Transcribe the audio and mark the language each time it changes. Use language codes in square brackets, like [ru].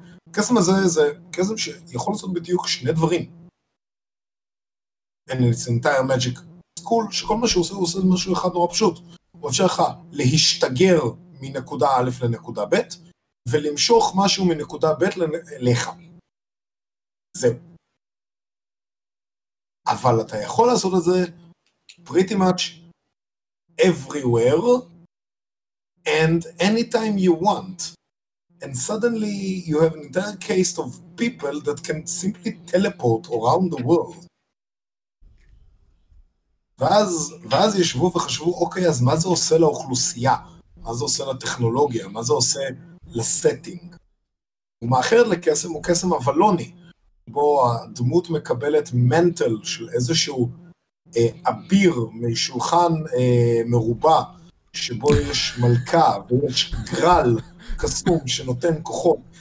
[he] הקסם הזה זה קסם שיכול לעשות בדיוק שני דברים. [en] It's an entire magic school, [he] שכל מה שהוא עושה, הוא עושה משהו אחד נורא פשוט. הוא אפשר לך להשתגר מנקודה א' לנקודה ב', ולמשוך משהו מנקודה ב' לך. זהו. אבל אתה יכול לעשות את זה [en] pretty much everywhere and anytime you want. And suddenly you have an entire case of people that can simply teleport around the world. [he] ואז ישבו וחשבו, אוקיי, אז מה זה עושה לאוכלוסייה? מה זה עושה לטכנולוגיה? מה זה עושה לסטינג? ומאחר לקסם הוא קסם אבלוני, בו הדמות מקבלת מנטל של איזשהו אביר משולחן מרובע, שבו יש מלכה ויש גרל קסום שנותן כוחות.